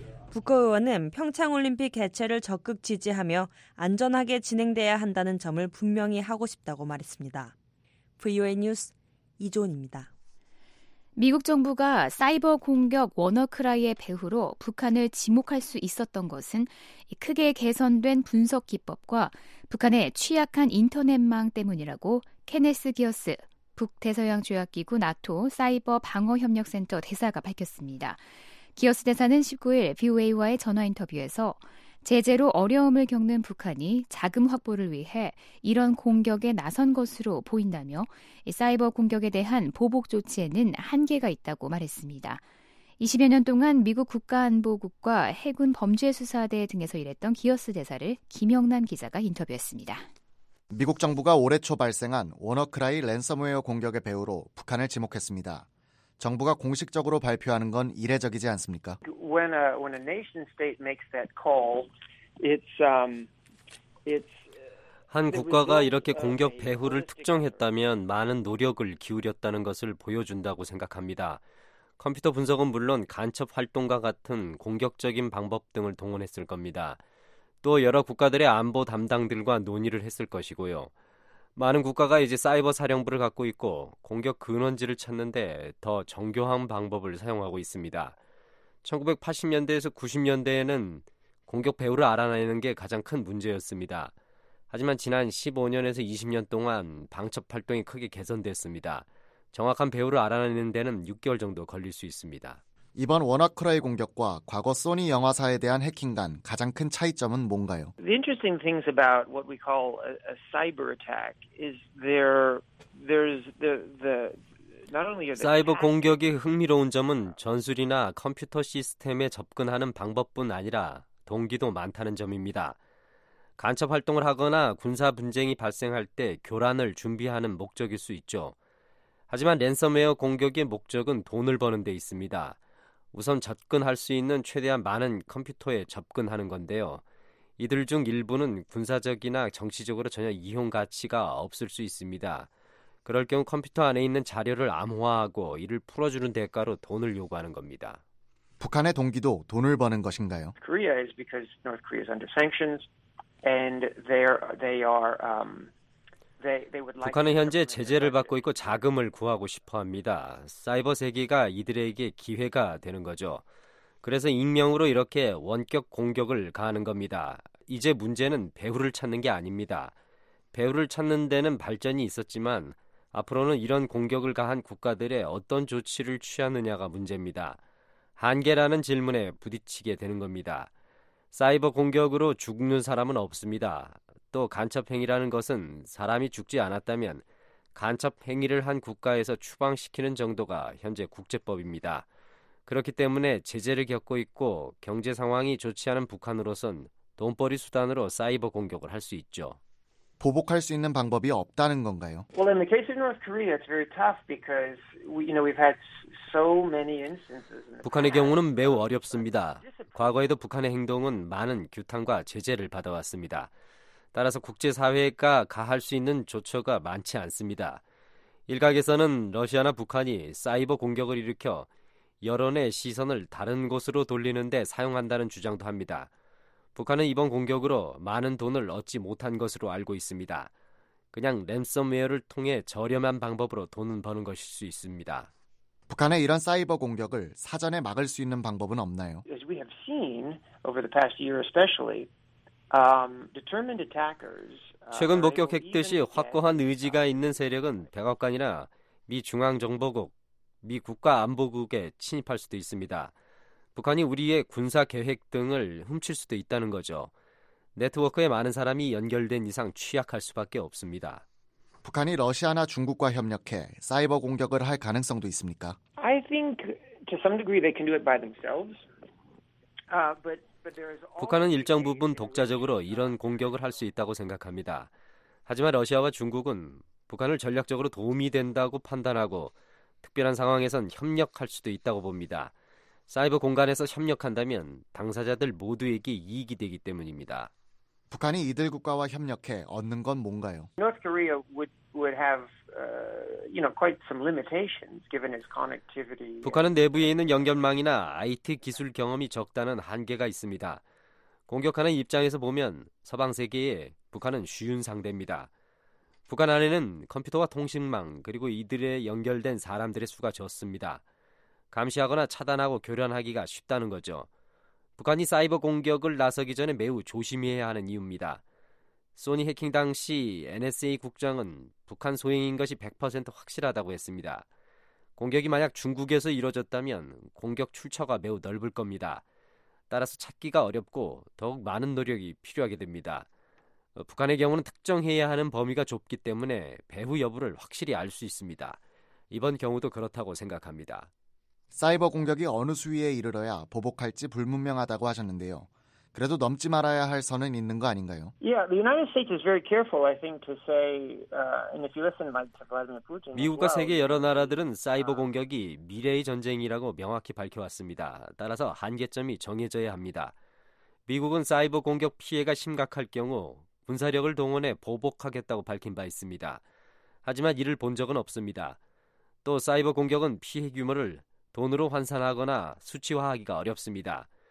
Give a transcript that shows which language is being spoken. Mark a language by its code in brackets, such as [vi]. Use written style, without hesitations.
[ko] 부커 의원은 평창올림픽 개최를 적극 지지하며 안전하게 진행돼야 한다는 점을 분명히 하고 싶다고 말했습니다. VOA 뉴스 이조은입니다. 미국 정부가 사이버 공격 워너크라이의 배후로 북한을 지목할 수 있었던 것은 크게 개선된 분석 기법과 북한의 취약한 인터넷망 때문이라고 케네스 기어스 북대서양조약기구 나토 사이버 방어협력센터 대사가 밝혔습니다. 기어스 대사는 19일 VOA와의 전화 인터뷰에서 제재로 어려움을 겪는 북한이 자금 확보를 위해 이런 공격에 나선 것으로 보인다며 사이버 공격에 대한 보복 조치에는 한계가 있다고 말했습니다. 20여 년 동안 미국 국가안보국과 해군 범죄수사대 등에서 일했던 기어스 대사를 김영란 기자가 인터뷰했습니다. 미국 정부가 올해 초 발생한 워너크라이 랜섬웨어 공격의 배후로 북한을 지목했습니다. 정부가 공식적으로 발표하는 건 이례적이지 않습니까? [en] When a nation state makes that call, it's [ko] 한 국가가 이렇게 공격 배후를 특정했다면 많은 노력을 기울였다는 것을 보여준다고 생각합니다. 컴퓨터 분석은 물론 간첩 활동과 같은 공격적인 방법 등을 동원했을 겁니다. 또 여러 국가들의 안보 담당들과 논의를 했을 것이고요. 많은 국가가 이제 사이버 사령부를 갖고 있고 공격 근원지를 찾는데 더 정교한 방법을 사용하고 있습니다. 1980년대에서 90년대에는 공격 배후를 알아내는 게 가장 큰 문제였습니다. 하지만 지난 15년에서 20년 동안 방첩 활동이 크게 개선됐습니다. 정확한 배후를 알아내는 데는 6개월 정도 걸릴 수 있습니다. 이번 워너크라이 공격과 과거 소니 영화사에 대한 해킹 간 가장 큰 차이점은 뭔가요? [en] The interesting things about what we call a cyber attack is there's the [ko] 사이버 공격이 흥미로운 점은 전술이나 컴퓨터 시스템에 접근하는 방법뿐 아니라 동기도 많다는 점입니다. 간첩 활동을 하거나 군사 분쟁이 발생할 때 교란을 준비하는 목적일 수 있죠. 하지만 랜섬웨어 공격의 목적은 돈을 버는 데 있습니다. 우선 접근할 수 있는 최대한 많은 컴퓨터에 접근하는 건데요. 이들 중 일부는 군사적이나 정치적으로 전혀 이용 가치가 없을 수 있습니다. 그럴 경우 컴퓨터 안에 있는 자료를 암호화하고 이를 풀어주는 대가로 돈을 요구하는 겁니다. 북한의 동기도 돈을 버는 것인가요? [en] Korea is because North Korea is under sanctions and they would like [ko] 북한은 현재 제재를 받고 있고 자금을 구하고 싶어 합니다. 사이버 세계가 이들에게 기회가 되는 거죠. 그래서 익명으로 이렇게 원격 공격을 가하는 겁니다. 이제 문제는 배후를 찾는 게 아닙니다. 배후를 찾는 데는 발전이 있었지만 앞으로는 이런 공격을 가한 국가들의 어떤 조치를 취하느냐가 문제입니다. 한계라는 질문에 부딪히게 되는 겁니다. 사이버 공격으로 죽는 사람은 없습니다. 또 간첩 행위라는 것은 사람이 죽지 않았다면 간첩 행위를 한 국가에서 추방시키는 정도가 현재 국제법입니다. 그렇기 때문에 제재를 겪고 있고 경제 상황이 좋지 않은 북한으로선 돈벌이 수단으로 사이버 공격을 할 수 있죠. 보복할 수 있는 방법이 없다는 건가요? [en] Well, in the case of North Korea, it's very tough because we've had so many instances. [ko] 북한의 경우는 매우 어렵습니다. 과거에도 북한의 행동은 많은 규탄과 제재를 받아왔습니다. 따라서 국제사회가 가할 수 있는 조처가 많지 않습니다. 일각에서는 러시아나 북한이 사이버 공격을 일으켜 여론의 시선을 다른 곳으로 돌리는 데 사용한다는 주장도 합니다. 북한은 이번 공격으로 많은 돈을 얻지 못한 것으로 알고 있습니다. 그냥 랜섬웨어를 통해 저렴한 방법으로 돈은 버는 것일 수 있습니다. 북한의 이런 사이버 공격을 사전에 막을 수 있는 방법은 없나요? [en] As we have seen over the past year especially, determined attackers [ko] 최근 목격했듯이 확고한 의지가 있는 세력은 백악관이나 미 중앙정보국, 미 국가안보국에 침입할 수도 있습니다. 북한이 우리의 군사 계획 등을 훔칠 수도 있다는 거죠. 네트워크에 많은 사람이 연결된 이상 취약할 수밖에 없습니다. 북한이 러시아나 중국과 협력해 사이버 공격을 할 가능성도 있습니까? [en] I think to some degree they can do it by themselves. But [ko] 북한은 일정 부분 독자적으로 이런 공격을 할 수 있다고 생각합니다. 하지만 러시아와 중국은 북한을 전략적으로 도움이 된다고 판단하고 특별한 상황에선 협력할 수도 있다고 봅니다. 사이버 공간에서 협력한다면 당사자들 모두에게 이익이 되기 때문입니다. 북한이 이들 국가와 협력해 얻는 건 뭔가요? [en] North Korea would have, you know, quite some limitations given its connectivity. [ko] 북한은 내부에 있는 연결망이나 IT 기술 경험이 적다는 한계가 있습니다. 공격하는 입장에서 보면 서방 세계에 북한은 쉬운 상대입니다. 북한 안에는 컴퓨터와 통신망 그리고 이들에 연결된 사람들의 수가 적습니다. 감시하거나 차단하고 교란하기가 쉽다는 거죠. 북한이 사이버 공격을 나서기 전에 매우 조심해야 하는 이유입니다. 소니 해킹 당시 NSA 국장은 북한 소행인 것이 100% 확실하다고 했습니다. 공격이 만약 중국에서 이루어졌다면 공격 출처가 매우 넓을 겁니다. 따라서 찾기가 어렵고 더욱 많은 노력이 필요하게 됩니다. 북한의 경우는 특정해야 하는 범위가 좁기 때문에 배후 여부를 확실히 알 수 있습니다. 이번 경우도 그렇다고 생각합니다. 사이버 공격이 어느 수위에 이르러야 보복할지 불분명하다고 하셨는데요. 그래도 넘지 말아야 할 선은 있는 거 아닌가요? [en] Yeah, the United States is very careful, I think, to say, and if you listen to Vladimir Putin, [ko] 미국과 세계 여러 나라들은 사이버 공격이 미래의 전쟁이라고 명확히 밝혀왔습니다. 따라서 한계점이 정해져야 합니다. 미국은 사이버 공격 피해가 심각할 경우 군사력을 동원해 보복하겠다고 밝힌 바 있습니다. 하지만 이를 본 적은 없습니다. 또 사이버 공격은 피해 규모를 돈으로 환산하거나 수치화하기가 어렵습니다.